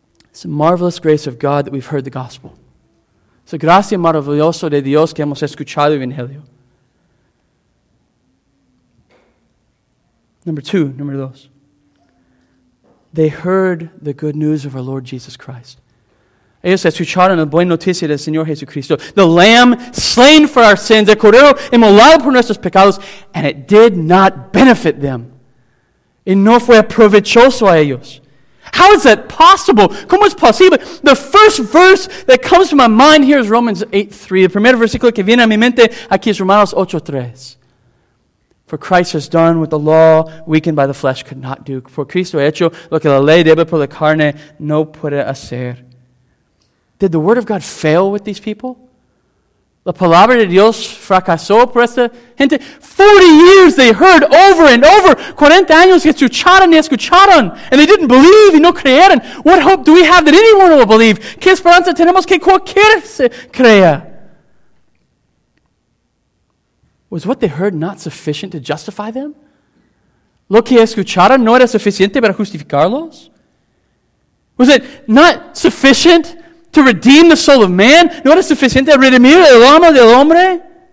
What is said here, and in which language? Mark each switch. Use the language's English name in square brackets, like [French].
[English] It's a marvelous grace of God that we've heard the gospel. It's a [Spanish] gracia maravillosa de Dios que hemos escuchado el Evangelio. Número dos. [English] They heard the good news of our Lord Jesus Christ. [Spanish] Ellos escucharon la buena noticia del Señor Jesucristo. [English] The Lamb slain for our sins, [Spanish] el Cordero inmolado por nuestros pecados, [English] and it did not benefit them. [Spanish] Y no fue provechoso a ellos. [English] How is that possible? [Spanish] ¿Cómo es posible? [English] The first verse that comes to my mind here is Romans 8:3. [Spanish] El primer versículo que viene a mi mente aquí es Romanos 8:3. [English] For Christ has done what the law, weakened by the flesh, could not do. [Spanish] For Cristo ha hecho lo que la ley debe por la carne no puede hacer. [English] Did the word of God fail with these people? [Spanish] La palabra de Dios fracasó por esta gente. [English] 40 years they heard over and over. [Spanish] 40 años que escucharon y escucharon. [English] And they didn't believe [Spanish] y no creyeron. [English] What hope do we have that anyone will believe? [Spanish] ¿Qué esperanza tenemos que cualquier se crea? [English] Was what they heard not sufficient to justify them? [Spanish] ¿Lo que escucharon no era suficiente para justificarlos? [English] Was it not sufficient to redeem the soul of man? [Spanish] ¿No era suficiente para redimir el alma del hombre?